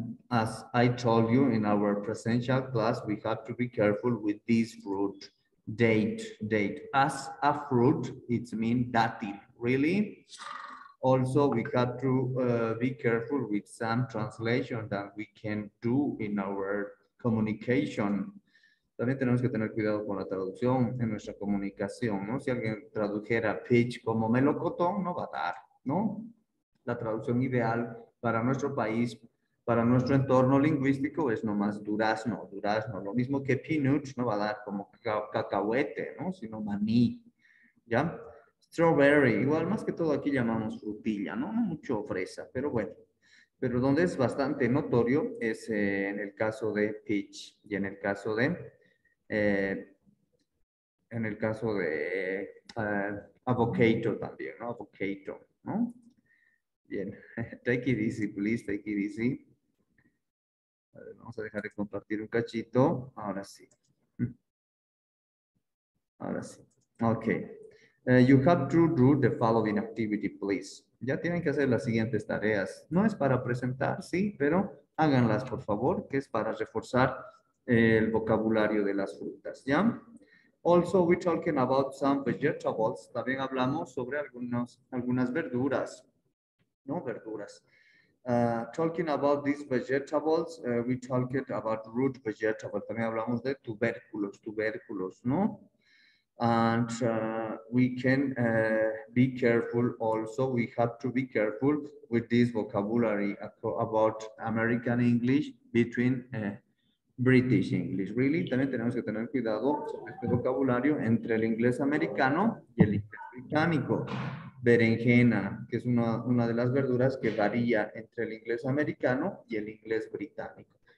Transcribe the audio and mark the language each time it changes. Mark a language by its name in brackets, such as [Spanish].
[English] As I told you in our presential class, we have to be careful with this fruit, date, date. As a fruit, it's mean dátil, really? Also, we have to be careful with some translation that we can do in our communication. [Spanish] También tenemos que tener cuidado con la traducción en nuestra comunicación, ¿no? Si alguien tradujera peach como melocotón, no va a dar, ¿no? La traducción ideal para nuestro país, para nuestro entorno lingüístico, es nomás durazno, durazno. Lo mismo que peanut, no va a dar como cacahuete, ¿no? Sino maní, ¿ya? Strawberry, igual más que todo aquí llamamos frutilla, ¿no? No mucho fresa, pero bueno. Pero donde es bastante notorio es en el caso de peach y en el caso de avocado también, ¿no? [English] Avocado, [Spanish] ¿no? Bien, [English] take it easy, please, take it easy. [Spanish] A ver, vamos a dejar de compartir un cachito. Ahora sí. Ahora sí. Ok. [English] You have to do the following activity, please. [Spanish] Ya tienen que hacer las siguientes tareas. No es para presentar, sí, pero háganlas, por favor, que es para reforzar el vocabulario de las frutas, ¿ya? [English] Also, we're talking about some vegetables. [Spanish] También hablamos sobre algunas verduras, ¿no? Verduras. [English] Talking about these vegetables, we talked about root vegetables. [Spanish] También hablamos de tubérculos, ¿no? [English] And we can be careful also, we have to be careful with this vocabulary about American English between British English, really. [Spanish] También tenemos que tener cuidado sobre este vocabulario entre el inglés americano y el inglés británico. Berenjena, que es una de las verduras que varía entre el inglés americano y el inglés británico.